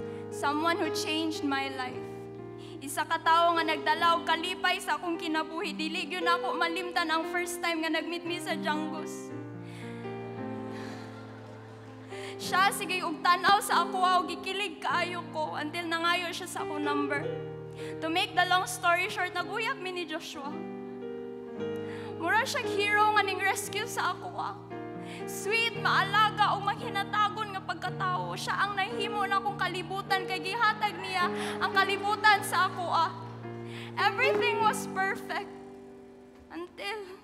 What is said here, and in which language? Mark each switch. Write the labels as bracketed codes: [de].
[en] Someone who changed my life. [ceb] Isa ka tawo nga nagdalaw kalipay sa akong kinabuhi. Dili gyud ako malimtan ang first time nga nagmeet mi sa Jungus. Siya sigay og tanaw sa ako o gikilig kaayo ko until nangayo siya sa akong number. [en] To make the long story short, [ceb] naguyab mi ni Joshua. Mura siyang hero nga ning-rescue sa ako. Sweet, maalaga o mahinatagon nga pagkatao. Siya ang nahimo na akong kalibutan kay gihatag niya ang kalibutan sa ako. [en] Everything was perfect until...